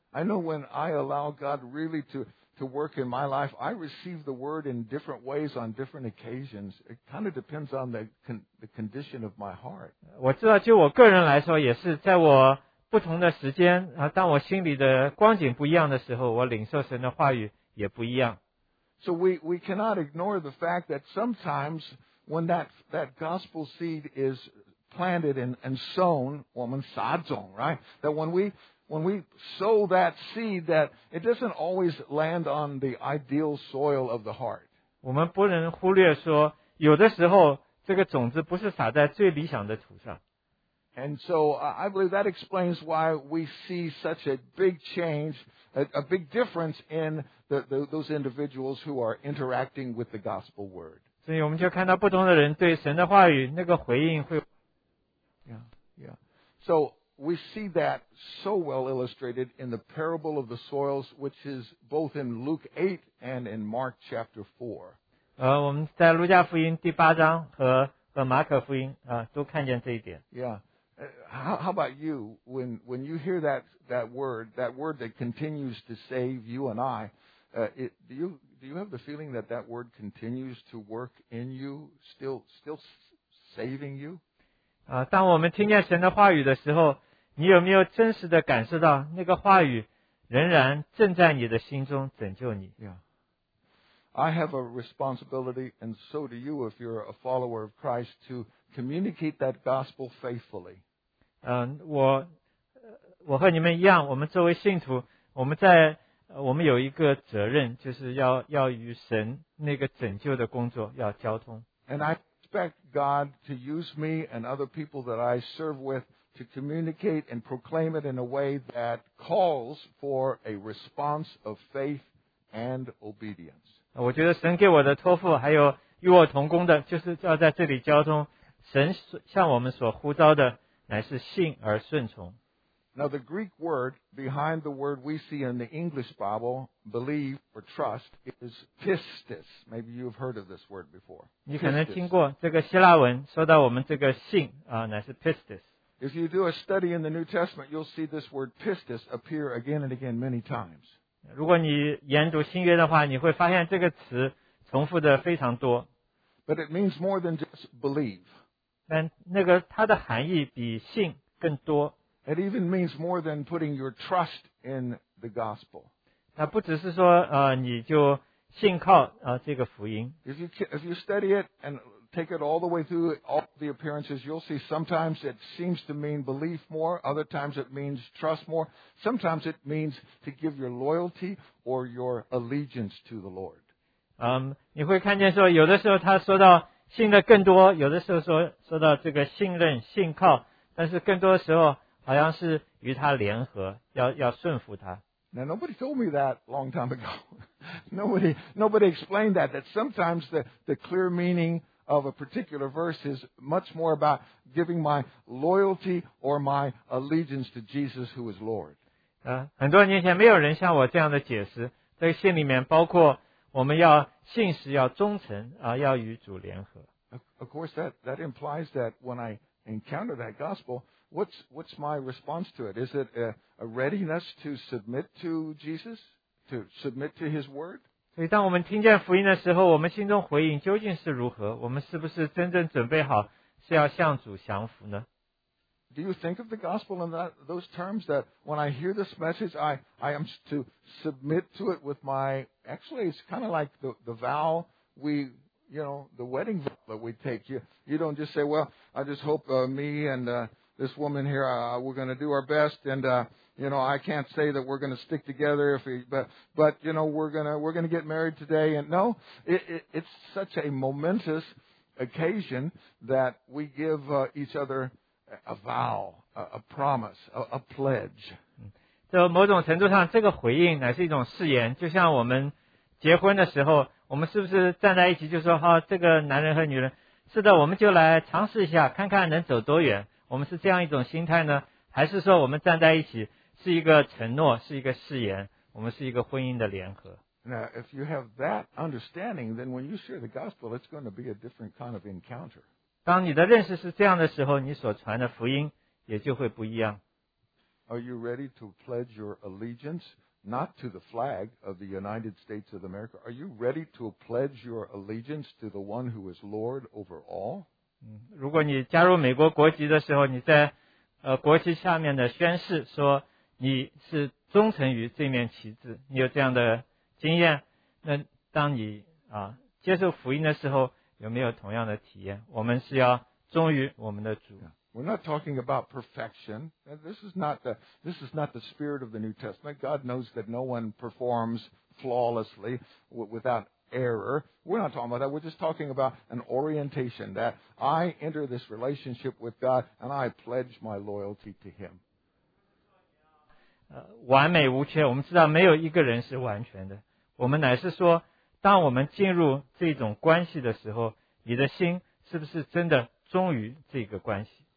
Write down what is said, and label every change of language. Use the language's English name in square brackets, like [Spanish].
[English] I know when I allow God really to work in my life, I receive the word in different ways on different occasions. It kind of depends on the condition of my heart. [Chinese] 我知道就我个人来说也是在我不同的时间啊，当我心里的光景不一样的时候，我领受神的话语也不一样。 [English] So we cannot ignore the fact that sometimes when that gospel seed is planted and sown, [Chinese] 我们撒种 [English] right? That when we sow that seed, that it doesn't always land on the ideal soil of the heart. [Chinese] 我们不能忽略说，有的时候这个种子不是撒在最理想的土上。 [English] And so I believe that explains why we see such a big change, a big difference in those individuals who are interacting with the gospel word. [Chinese] 所以我们就看到不同的人对神的话语那个回应会。 [English] Yeah. So we see that so well illustrated in the parable of the soils, which is both in Luke 8 and in Mark chapter 4. [Chinese] 我们在路加福音第八章和马可福音都看见这一点。 [English] Yeah. How about you? When you hear that word that continues to save you and I, do you have the feeling that word continues to work in you, still saving you? [Chinese] 当我们听见神的话语的时候，你有没有真实的感受到那个话语仍然正在你的心中拯救你？ [English] Yeah. I have a responsibility, and so do you if you're a follower of Christ, to communicate that gospel faithfully. [Chinese] 我和你们一样，我们作为信徒，我们有一个责任，就是要与神那个拯救的工作要交通。 [English] And I expect God to use me and other people that I serve with to communicate and proclaim it in a way that calls for a response of faith and obedience. [Chinese] 我觉得神给我的托付，还有与我同工的，就是要在这里交通神向我们所呼召的。乃是信而顺从。 [English] Now the Greek word behind the word we see in the English Bible, believe or trust, is pistis. Maybe you've heard of this word before. [Chinese] 你可能听过这个希腊文，说到我们这个信乃是 pistis。 [English] If you do a study in the New Testament, you'll see this word pistis appear again and again many times. [Chinese] 如果你研读新约的话，你会发现这个词重复的非常多。 [English] But it means more than just believe. [Chinese] 但那个它的含义比信更多。 [English] It even means more than putting your trust in the gospel. [Chinese] 那不只是说你就信靠这个福音。 [English] If you study it and take it all the way through all the appearances, you'll see sometimes it seems to mean belief more, other times it means trust more, sometimes it means to give your loyalty or your allegiance to the Lord. [Chinese] 你会看见说有的时候他说到信的更多，有的时候说到这个信任信靠，但是更多的时候好像是与他联合，要顺服他。 [English] Now nobody told me that long time ago. Nobody explained that sometimes the clear meaning of a particular verse is much more about giving my loyalty or my allegiance to Jesus who is Lord. [Chinese] 很多年前没有人像我这样的解释，这个信里面包括我们要信实要忠诚要与主联合。 [English] Of course that implies that when I encounter that gospel,What's my response to it? Is it a readiness to submit to Jesus? To submit to His Word? [Chinese] 所以当我们听见福音的时候，我们心中回应究竟是如何？我们是不是真正准备好是要向主降服呢？ [English] Do you think of the gospel in those terms that when I hear this message, I am to submit to it with my... Actually, it's kind of like the vow we... You know, the wedding that we take. You don't just say, well, I just hope me and this woman here, we're going to do our best. And, you know, I can't say that we're going to stick together. But you know, we're going to get married today. And no, it's such a momentous occasion that we give each other a vow, a promise, a pledge. [Chinese] 就某种程度上这个回应乃是一种誓言，就像我们结婚的时候我们是不是站在一起就说好，这个男人和女人，是的，我们就来尝试一下，看看能走多远。我们是这样一种心态呢，还是说我们站在一起是一个承诺，是一个誓言，我们是一个婚姻的联合？ [English] Now, if you have that understanding, then when you share the gospel, it's going to be a different kind of encounter. [Chinese] 当你的认识是这样的时候，你所传的福音也就会不一样。 [English] Are you ready to pledge your allegiance? Not to the flag of the United States of America. Are you ready to pledge your allegiance to the one who is Lord over all? [Chinese] 如果你加入美国国籍的时候，你在国旗下面的宣誓说你是忠诚于这面旗帜，你有这样的经验？那当你接受福音的时候，有没有同样的体验？我们是要忠于我们的主。 [English] We're not talking about perfection. This is not the spirit of the New Testament. God knows that no one performs flawlessly without error. We're not talking about that. We're just talking about an orientation that I enter this relationship with God and I pledge my loyalty to Him. [Chinese] 完美无缺，我们知道没有一个人是完全的。我们乃是说，当我们进入这种关系的时候，你的心是不是真的忠于这个关系？